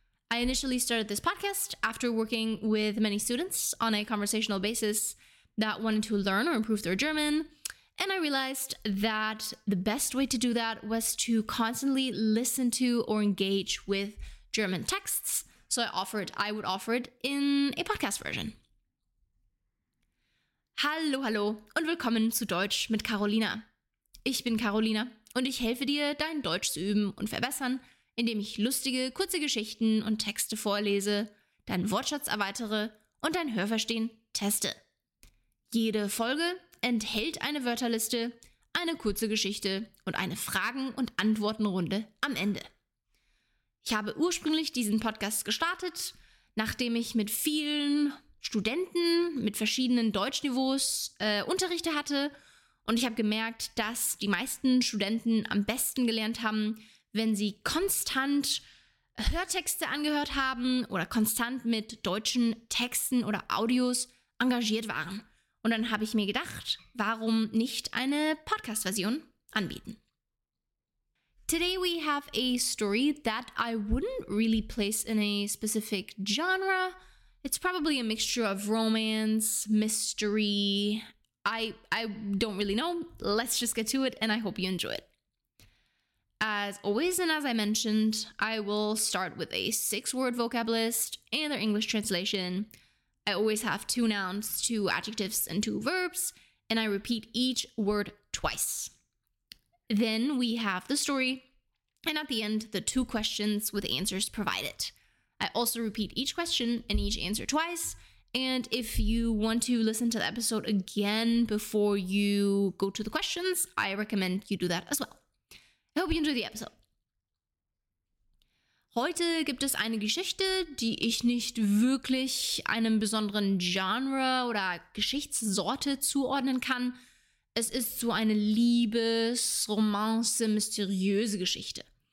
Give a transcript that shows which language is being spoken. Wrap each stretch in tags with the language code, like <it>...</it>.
<en>I initially started this podcast after working with many students on a conversational basis that wanted to learn or improve their German, and I realized that the best way to do that was to constantly listen to or engage with German texts, so I would offer it in a podcast version.</en> <de>Hallo, hallo und willkommen zu Deutsch mit Carolina. Ich bin Carolina und ich helfe dir, dein Deutsch zu üben und verbessern, indem ich lustige, kurze Geschichten und Texte vorlese, deinen Wortschatz erweitere und dein Hörverstehen teste. Jede Folge enthält eine Wörterliste, eine kurze Geschichte und eine Fragen- und Antwortenrunde am Ende. Ich habe ursprünglich diesen Podcast gestartet, nachdem ich mit vielen Studenten mit verschiedenen Deutschniveaus Unterrichte hatte und ich habe gemerkt, dass die meisten Studenten am besten gelernt haben, wenn sie konstant Hörtexte angehört haben oder konstant mit deutschen Texten oder Audios engagiert waren. Und dann habe ich mir gedacht, warum nicht eine Podcast-Version anbieten?</de> <en>Today we have a story that I wouldn't really place in a specific genre. It's probably a mixture of romance, mystery. I don't really know. Let's just get to it and I hope you enjoy it. As always and as I mentioned, I will start with a 6-word vocab list and their English translation. I always have 2 nouns, 2 adjectives, and 2 verbs, and I repeat each word twice. Then we have the story, and at the end, the 2 questions with answers provided. I also repeat each question and each answer twice, and if you want to listen to the episode again before you go to the questions, I recommend you do that as well. I hope you enjoy the episode.</en> <de>Heute gibt es eine Geschichte, die ich nicht wirklich einem besonderen Genre oder Geschichtssorte zuordnen kann. Es ist so eine Liebes-Romance, mysteriöse Geschichte.</de>